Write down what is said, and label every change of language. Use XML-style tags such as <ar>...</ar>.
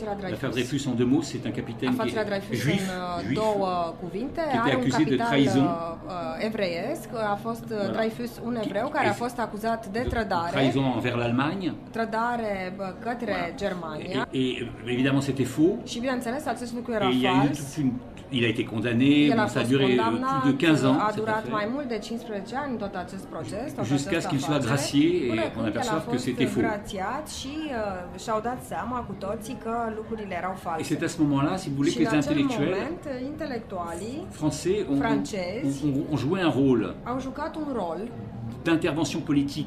<fr>L'affaire Dreyfus, en deux mots, c'est un capitaine qui est juif, qui était accusé de trahison.</fr> <ro>Evreiesc, a fost Dreyfus un evreu care a fost acuzat de trădare.</ro> <fr>Trahison envers l'Allemagne.</fr> <ro>Trădare către Germania.</ro> <fr>Et évidemment c'était faux.</fr> <ro>Și bineînțeles, acest lucru era fals.</ro> <fr>Il a été condamné, ça a duré plus de 15 ans.</fr> <ro>A durat mai mult de 15 ani tot acest proces.</ro> <fr>Jusqu'à ce qu'il soit gracié et qu'on aperçoive que c'était faux.</fr> <ro>Grațiat și și-au dat seama cu toții că lucrurile erau false.</ro> <fr>Et c'est à ce moment-là, si vous voulez, que les intellectuels français ont joué un rôle.</fr> <ro>Au jucat un rol</ro> <fr>d'intervention politique.</fr>